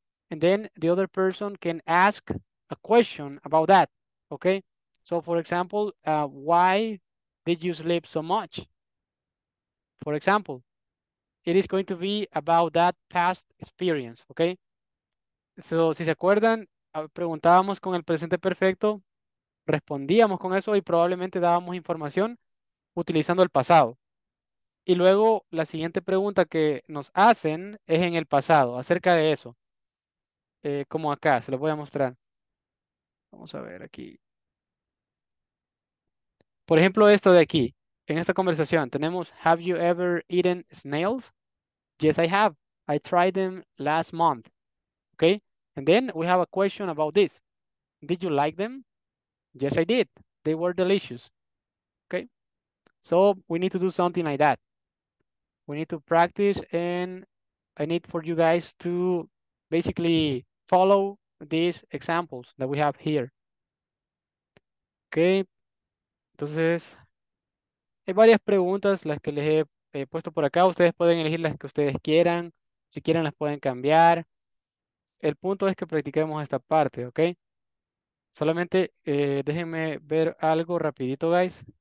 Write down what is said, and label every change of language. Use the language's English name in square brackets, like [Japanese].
[English] And then the other person can ask a question about that, okay? So, for example, why did you sleep so much? For example, it is going to be about that past experience, okay? [Spanish] So, si se acuerdan, preguntábamos con el presente perfecto, respondíamos con eso y probablemente dábamos información utilizando el pasado. Y luego la siguiente pregunta que nos hacen es en el pasado, acerca de eso. Como acá, se lo voy a mostrar. Vamos a ver aquí. Por ejemplo, esto de aquí, en esta conversación, tenemos, [English] Have you ever eaten snails? Yes, I have. I tried them last month. Okay. And then we have a question about this. Did you like them? Yes, I did. They were delicious. Okay. So we need to do something like that. We need to practice, and I need for you guys to basically follow these examples that we have here. Okay. [Spanish] Entonces, hay varias preguntas las que les he puesto por acá. Ustedes pueden elegir las que ustedes quieran. Si quieren, las pueden cambiar. El punto es que practiquemos esta parte, ¿ok? Solamente déjenme ver algo rapidito, guys.